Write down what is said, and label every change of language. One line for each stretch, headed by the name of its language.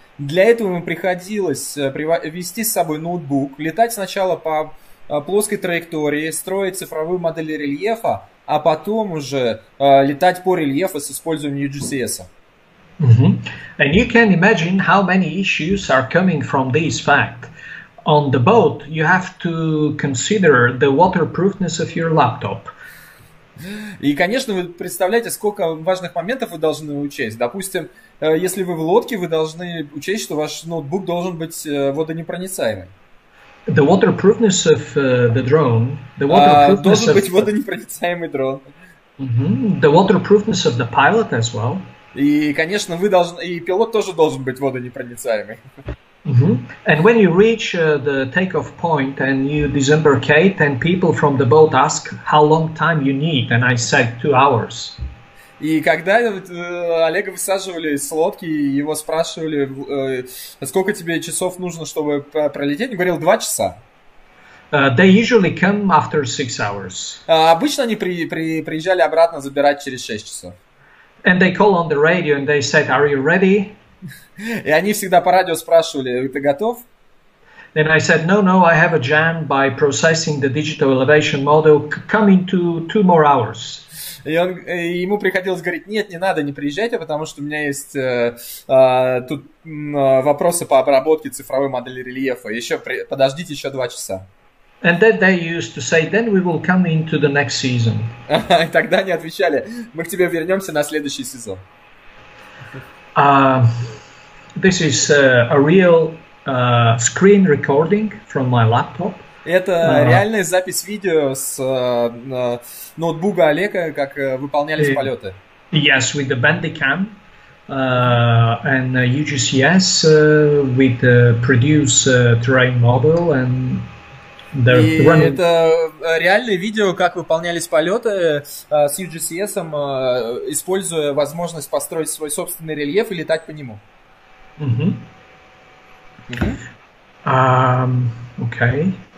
Russian: Для этого ему приходилось вести с собой ноутбук, летать сначала по плоской траектории, строить цифровую модель рельефа, а потом уже летать по рельефу с использованием UGCS.
English: And you can imagine how many issues are coming from this fact. On the boat, you have to consider the waterproofness of your laptop.
Russian: И, конечно, вы представляете, сколько важных моментов вы должны учесть. Допустим, если вы в лодке, вы должны учесть, что ваш ноутбук должен быть водонепроницаемым.
English: The waterproofness of the drone. The
Russian: Должен быть водонепроницаемый дрон.
English: The waterproofness of the pilot as well.
Russian: И, конечно, вы должны, и пилот тоже должен быть водонепроницаемый.
English: And when you reach the takeoff point and you disembarkate, and people from the boat ask how long time you need, and I said 2 hours.
Russian: И когда Олега высаживали с лодки, его спрашивали, сколько тебе часов нужно, чтобы пролететь, он говорил 2 часа.
English: They usually come after 6 hours.
Russian: Обычно они приезжали обратно забирать через 6 часов.
English: And they call on the radio and they said, are you ready?
Russian: И они всегда по радио спрашивали, ты готов?
English: And I said, no, I have a jam by processing the digital elevation model. Come in 2 more hours.
Russian: И ему приходилось говорить, нет, не надо, не приезжайте, потому что у меня есть тут вопросы по обработке цифровой модели рельефа. Еще подождите еще 2 часа.
English: And then they used to say, then we will come into the next season.
Russian: И тогда они отвечали, мы к тебе вернемся на следующий сезон.
English: This is a real screen recording from my laptop.
Russian: Это реальная запись видео с ноутбука Олега, как выполнялись полеты.
English: Yes, with the Bandicam and UGCS with the produce terrain model and the running.
Russian: Это реальное видео, как выполнялись полеты с UGCS, используя возможность построить свой собственный рельеф и летать по нему.
English: Okay.